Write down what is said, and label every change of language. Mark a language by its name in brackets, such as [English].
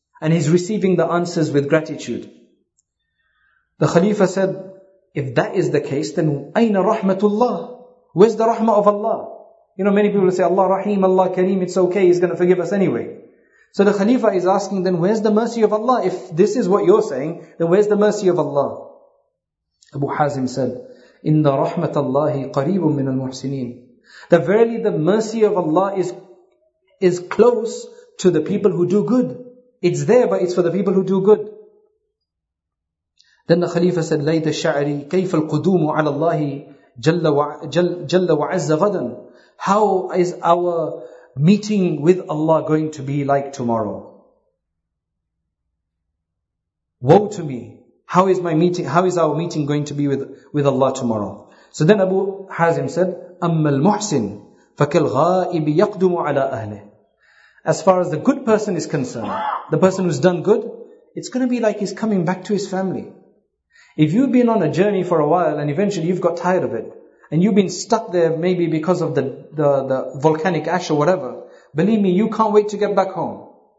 [English] And he's receiving the answers with gratitude. The Khalifa said, if that is the case, then أين rahmatullah? Where's the rahmah of Allah? You know, many people say, Allah Rahim, Allah Kareem, it's okay, He's going to forgive us anyway. So the Khalifa is asking, then where's the mercy of Allah? If this is what you're saying, then where's the mercy of Allah? Abu Hazim said, [Arabic] إِنَّ رَحْمَةَ اللَّهِ قَرِيبٌ مِّنَ الْمُحْسِنِينَ. [English] That verily the mercy of Allah is close to the people who do good. It's there, but it's for the people who do good. Then the Khalifa said, [Arabic] لَيْتَ الشَّعْرِ كَيْفَ الْقُدُومُ عَلَى اللَّهِ جَلَّ وَعَزَّ غَدًا. [English] How is our meeting with Allah going to be like tomorrow? Woe to me. How is our meeting going to be with Allah tomorrow? So then Abu Hazim said, [Arabic] أَمَّا الْمُحْسِنِ فَكَالْغَائِبِ يَقْدُمُ عَلَىٰ أَهْلِهِ. [English] As far as the good person is concerned, the person who's done good, it's going to be like he's coming back to his family. If you've been on a journey for a while and eventually you've got tired of it, and you've been stuck there maybe because of the volcanic ash or whatever, believe me, you can't wait to get back home.